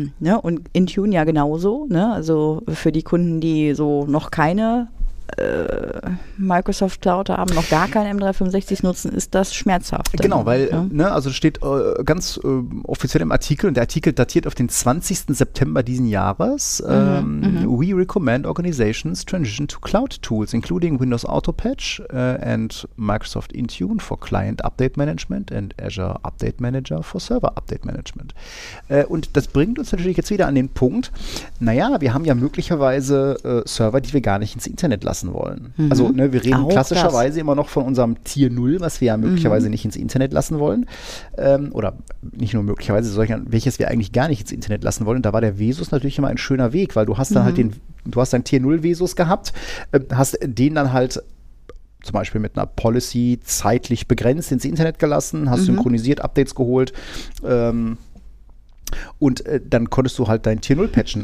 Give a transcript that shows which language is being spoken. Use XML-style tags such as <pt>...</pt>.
<de>Ja, und Intune ja genauso, ne? Also für die Kunden, die so noch keine Microsoft Cloud haben, noch gar kein M365 nutzen, ist das schmerzhaft. Genau, weil, ja? Also steht ganz offiziell im Artikel, und der Artikel datiert auf den 20. September diesen Jahres.</de> <en>We recommend organizations transition to cloud tools, including Windows Auto Patch and Microsoft Intune for Client Update Management and Azure Update Manager for Server Update Management.</en> <de>Und das bringt uns natürlich jetzt wieder an den Punkt, naja, wir haben ja möglicherweise Server, die wir gar nicht ins Internet lassen wollen. Mhm. Also ne, wir reden auch klassischerweise immer noch von unserem Tier 0, was wir ja möglicherweise nicht ins Internet lassen wollen. Oder nicht nur möglicherweise, sondern welches wir eigentlich gar nicht ins Internet lassen wollen. Und da war der Vesus natürlich immer ein schöner Weg, weil du hast dann halt du hast dein Tier 0 Vesus gehabt, hast den dann halt zum Beispiel mit einer Policy zeitlich begrenzt ins Internet gelassen, hast synchronisiert, Updates geholt, und dann konntest du halt dein Tier 0 patchen.</de>